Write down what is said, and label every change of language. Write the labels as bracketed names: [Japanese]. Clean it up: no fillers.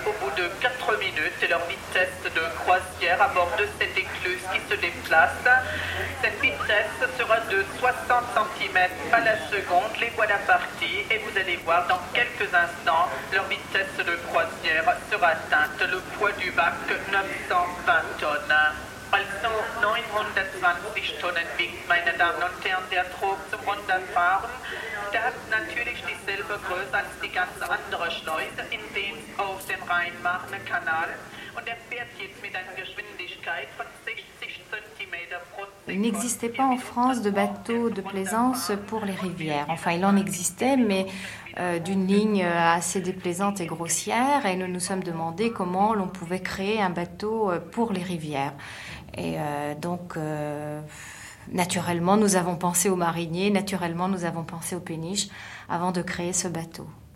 [French] Au bout de 4 minutes, c'est leur vitesse de croisière à bord de cette écluse qui se déplace. Cette vitesse sera de 60 cm à la seconde, les voilà partis, et vous allez voir, dans quelques instants, leur vitesse de croisière sera atteinte, le poids du bac, 920 tonnes. [German] Also 920 Tonnen wiegt, meine Damen und Herren, der Trog zum Runterfahren. Der hat natürlich dieselbe Größe als die ganze andere Schleuse, in dem auf dem Rhein-Marne-Kanal. Und er fährt jetzt mit einer Geschwindigkeit von 60 cm pro Sekunde. [French] Il n'existait pas en France de bateaux de plaisance pour les rivières. Enfin, il en existait, mais d'une ligne assez déplaisante et grossière. Et nous nous sommes demandé comment l'on pouvait créer un bateau pour les rivières. Et donc, naturellement, nous avons pensé aux mariniers, naturellement, nous avons pensé aux péniches avant de créer ce bateau.